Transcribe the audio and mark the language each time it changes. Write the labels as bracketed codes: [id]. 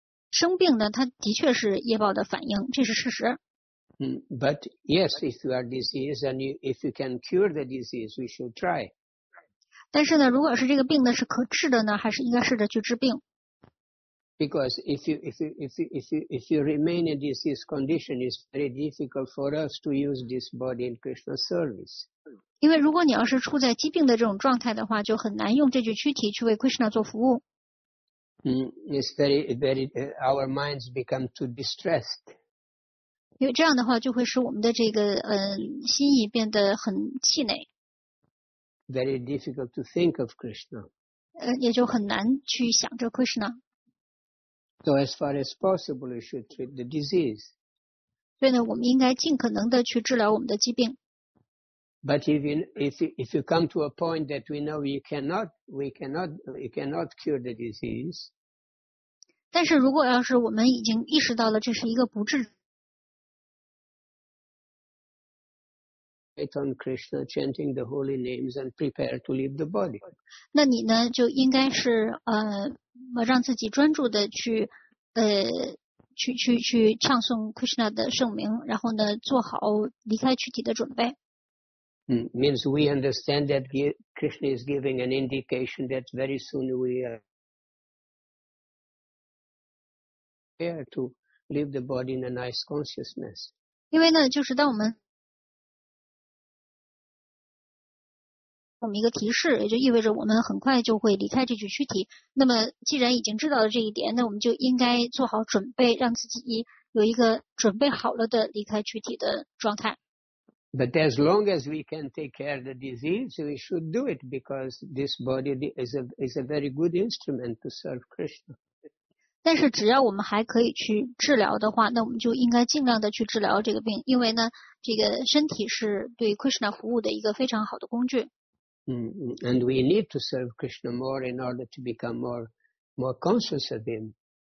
[zh] 生病呢，它的确是业报的反应，这是事实。 [en] But yes, if you are diseased and if you can cure the disease, we should try. [zh] 但是呢，如果是这个病呢是可治的呢，还是应该试着去治病。 [en] Because if you remain in disease condition, it's very difficult for us to use this body in Krishna's service. [zh] 因为如果你要是处在疾病的这种状态的话，就很难用这具躯体去为 Krishna 做服务。 [en] It's very, very, our minds become too distressed. [zh] 因为这样的话就会使我们的这个心意变得很气馁。 [en] Very difficult to think of Krishna. [zh] 也就很难去想着 Krishna. [en] So as far as possible, we should treat the disease. [zh] 所以呢，我们应该尽可能的去治疗我们的疾病。 [en] But if you come to a point that we know we cannot cure the disease. [zh] 但是如果要是我们已经意识到了这是一个不治。 [en] Wait on Krishna, chanting the holy names and prepare to leave the body. [zh] 那你呢就应该是让自己专注的去唱诵 Krishna 的圣名，然后呢做好离开躯体的准备。 [en] Means we understand that Krishna is giving an indication that very soon we are prepared to leave the body in a nice consciousness. [zh] 因为呢，就是当我们一个提示，也就意味着我们很快就会离开这具躯体。那么，既然已经知道了这一点，那我们就应该做好准备，让自己有一个准备好了的离开躯体的状态。 [en] But as long as we can take care of the disease, we should do it because this body is a very good instrument to serve Krishna. [zh] 但是只要我们还可以去治疗的话，那我们就应该尽量的去治疗这个病，因为呢，这个身体是对 Krishna 服务的一个非常好的工具。 [en] And we need to serve Krishna more in order to become more conscious of him.